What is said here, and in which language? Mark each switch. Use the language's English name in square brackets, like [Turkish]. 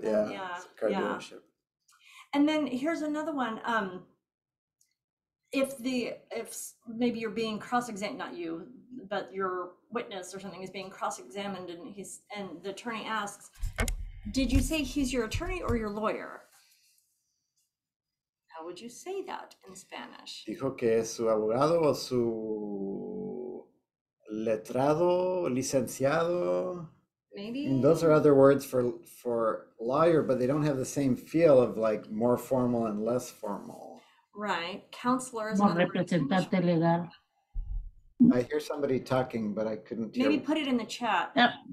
[English] yeah. And then here's another one. If maybe you're being cross-examined, not you, but your witness or something is being cross-examined, and the attorney asks, "Did you say he's your attorney or your lawyer?" How would you say that in Spanish? [Spanish] Dijo que es su abogado o su letrado, licenciado. [English] Maybe. Those are other words for lawyer, but they don't have the same feel of like more formal and less formal. Right. Counselor is more [Spanish] representante legal. [English] I hear somebody talking, but I couldn't hear. Maybe put it in the chat. Yep.